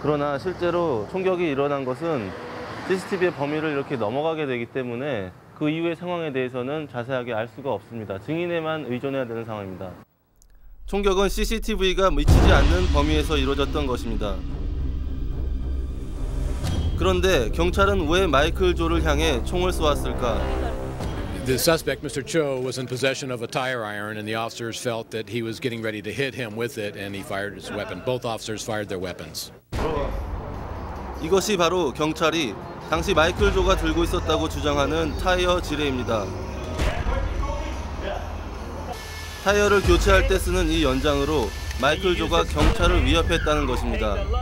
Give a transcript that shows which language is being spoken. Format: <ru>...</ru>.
<ko>그러나 실제로 총격이 일어난 것은 CCTV의 범위를 이렇게 넘어가게 되기 때문에 그 이후의 상황에 대해서는 자세하게 알 수가 없습니다. 증인에만 의존해야 되는 상황입니다. 총격은 CCTV가 미치지 않는 범위에서 이루어졌던 것입니다. 그런데 경찰은 왜 마이클 조를 향해 총을 쏘았을까?</ko> <en>The suspect, Mr. Cho, was in possession of a tire iron, and the officers felt that he was getting ready to hit him with it, and he fired his weapon. Both officers fired their weapons.</en> <ko>이것이 바로 경찰이 당시 마이클 조가 들고 있었다고 주장하는 타이어 지뢰입니다. 타이어를 교체할 때 쓰는 이 연장으로 마이클 조가 경찰을 위협했다는 것입니다.</ko>